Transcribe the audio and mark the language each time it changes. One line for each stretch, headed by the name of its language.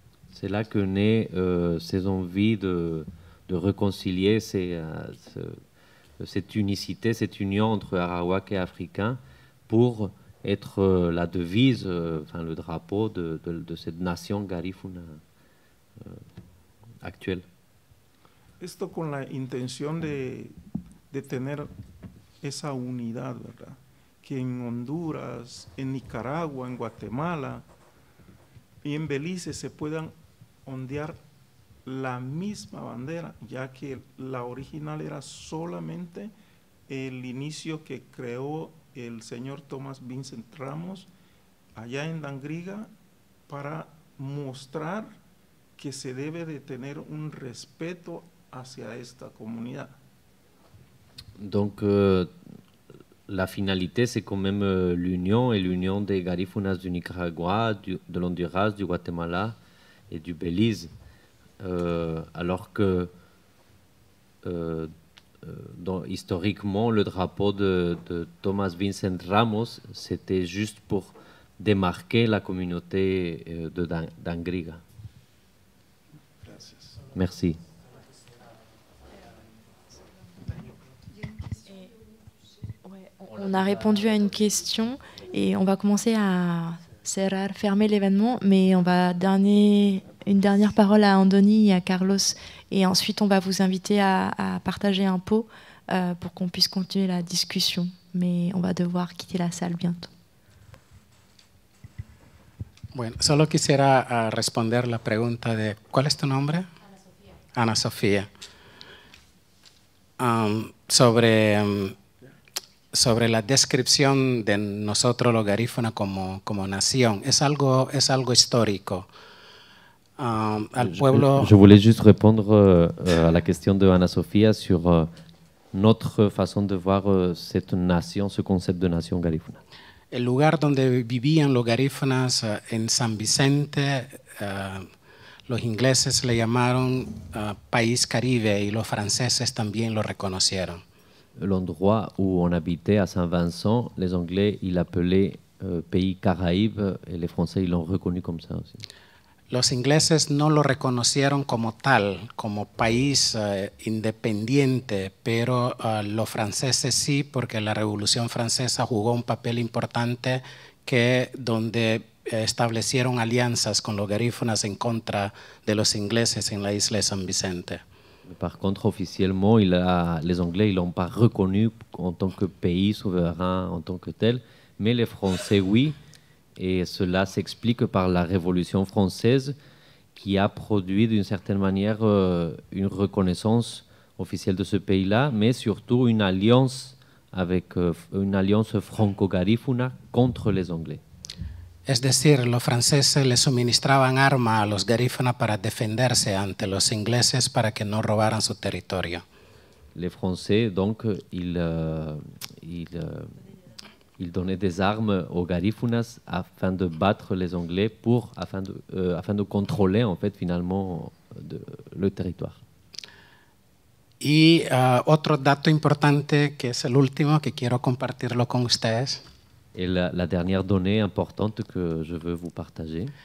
French: C'est là que naît ces envies de réconcilier cette unicité, cette union entre Arawak et Africains pour être la devise, enfin le drapeau de cette nation Garifuna actuelle.
Spanish: Esto con la intención de tener esa unidad, ¿verdad? Que en Honduras, en Nicaragua, en Guatemala y en Belice se puedan ondear la misma bandera, ya que la original era solamente el inicio que creó el señor Thomas Vincent Ramos allá en Dangriga para mostrar que se debe de tener un respeto hacia esta comunidad.
French: Donc la finalité, c'est quand même l'union et l'union des Garifunas du Nicaragua, de l'Honduras, du Guatemala et du Belize. Alors que, dans, historiquement, le drapeau de Thomas Vincent Ramos, c'était juste pour démarquer la communauté de Dangriga. Merci. On a répondu à une question et on va commencer à fermer l'événement, mais on va donner une dernière parole à Andoni et à Carlos et ensuite on va vous inviter à partager un pot pour qu'on puisse continuer la discussion, mais on va devoir quitter la salle bientôt.
Spanish: Bueno, solo quisiera responder la pregunta de ¿cuál es tu nombre? Ana Sofía. Ana Sofía. Sobre la descripción de nosotros los garífunas como nación, es algo histórico. Al pueblo.
French: Je voulais juste répondre à la question de Ana Sofía sur notre façon de voir cette nation, ce concept de nación garífuna.
Spanish: El lugar donde vivían los garífunas en San Vicente, los ingleses le llamaron País Caribe y los franceses también lo reconocieron.
French: L'endroit où on habitait à Saint-Vincent, les Anglais, ils l'appelaient pays Caraïbe et les Français, ils l'ont reconnu comme ça aussi.
Spanish: Los ingleses no lo reconocieron como tal, como país independiente, pero los franceses sí, porque la Revolución Francesa jugó un papel importante que donde establecieron alianzas con los garífunas en contra de los ingleses en la isla de San Vicente.
French: Par contre, officiellement, les Anglais ne l'ont pas reconnu en tant que pays souverain, en tant que tel. Mais les Français, oui. Et cela s'explique par la Révolution française qui a produit, d'une certaine manière, une reconnaissance officielle de ce pays-là, mais surtout une alliance, une alliance franco-garifuna contre les Anglais.
Spanish: Es decir, los franceses le suministraban armas a los garífunas para defenderse ante los ingleses para que no robaran su territorio.
French: Les Français donc ils donnaient des armes aux garífunas afin de battre les Anglais pour afin de contrôler en fait finalement le territoire.
Spanish: Y otro dato importante que es el último que quiero compartirlo con ustedes.
French: Et la dernière donnée importante que je veux vous partager.